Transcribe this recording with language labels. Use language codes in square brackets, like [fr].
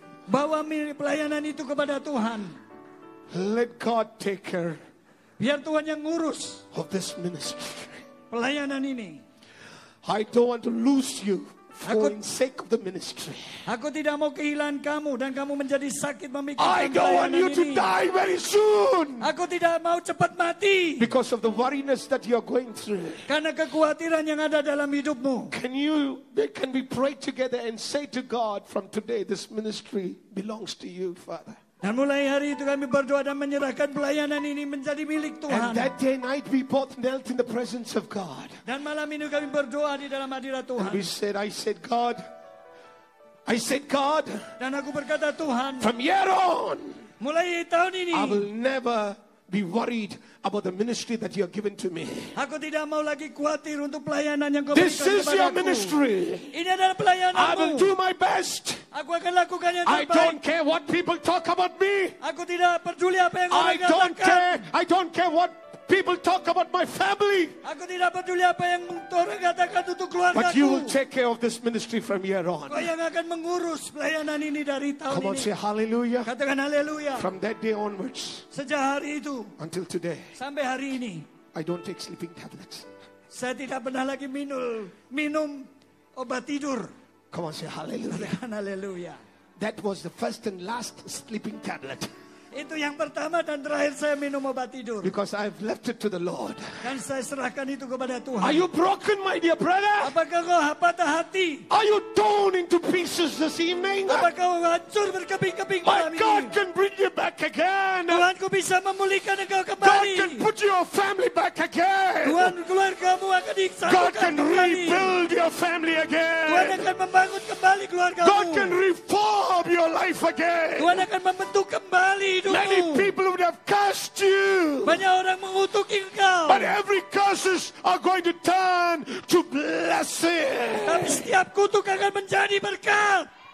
[id] Bawa pelayanan itu kepada Tuhan. [en] Let God take care. [id] Biar Tuhan yang ngurus. [en] Of this ministry. [id] Pelayanan ini. [en] I don't want to lose you. for the sake of the ministry. [id] Aku tidak mau kehilangan kamu dan kamu menjadi sakit memikirkan saya. [en] I don't want you to die very soon. [id] Aku tidak mau cepat mati. [en] Because of the worryness that you are going through. [id] Karena kekhawatiran yang ada dalam hidupmu. [en] Can we pray together and say to God, from today this ministry belongs to you, Father. [id] Dan mulai hari itu kami berdoa dan menyerahkan pelayanan ini menjadi milik Tuhan. [en] And that day night we both knelt in the presence of God. [id] Dan malam ini kami berdoa di dalam hadirat Tuhan. [en] And I said, God. [id] Dan aku berkata Tuhan. [en] From here on. [id] Mulai tahun ini. [en] I will never be worried about the ministry that you have given to me. [id] Aku tidak mau lagi khawatir untuk pelayanan yang kau berikan kepadaku. [en] This is your ministry. [id] Ini adalah pelayananmu. [en] I will do my best. [id] Aku akan lakukan yang terbaik. [en] I don't care what people talk about me. [id] Aku tidak peduli apa yang orang katakan. [en] I don't care what people talk about my family. [id] Aku tidak peduli apa yang orang katakan untuk keluargaku. [en] But you will take care of this ministry from here on. [id] Kau yang akan mengurus pelayanan ini dari tahun ini. [en] Come on, say hallelujah. [id] Katakan haleluya. [en] From that day onwards. [id] Sejak hari itu. [en] Until today. [id] Sampai hari ini. [en] I don't take sleeping tablets. [id] Saya tidak pernah lagi minum obat tidur. [en] Come on, say hallelujah. [id] Katakan haleluya. [en] That was the first and last sleeping tablet. [id] Itu yang pertama dan terakhir saya minum obat tidur. [en] Because I've left it to the Lord. [id] Dan saya serahkan itu kepada Tuhan. [en] Are you broken, my dear brother? [id] Apakah kau patah hati? [en] Are you torn into pieces this evening? [id] Apakah kau hancur berkeping-keping malam ini? [en] My God can bring you back again. [id] Tuhan ku bisa memulihkan engkau kembali. [en] God can put your family back again. [id] Tuhan keluargamu akan disatukan kembali. [en] God can rebuild your family again. [id] Tuhan akan membangun kembali keluargamu. [en] God can reform your life again. [id] Tuhan akan membentuk kembali. [en] Many people would have cursed you. [id] Banyak orang mengutuki engkau. [en] But every curses are going to turn to blessing. [id] Tapi setiap kutuk akan menjadi berkat.